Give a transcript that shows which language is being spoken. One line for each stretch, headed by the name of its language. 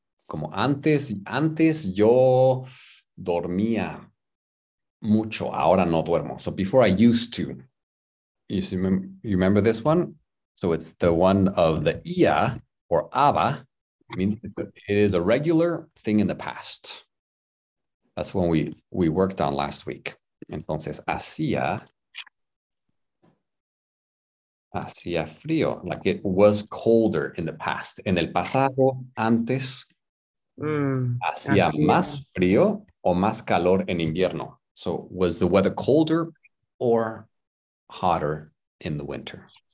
Spanish: Como antes yo dormía mucho, ahora no duermo.
English: So before I used to. You remember this one? So it's the one of the ia or aba. Means it is a regular thing in the past. That's when we worked on last week.
Spanish: Entonces, hacía Hacía frío,
English: like it was colder in the past.
Spanish: En el pasado, antes, hacía más frío o más calor en invierno.
English: So, was the weather colder or hotter in the winter?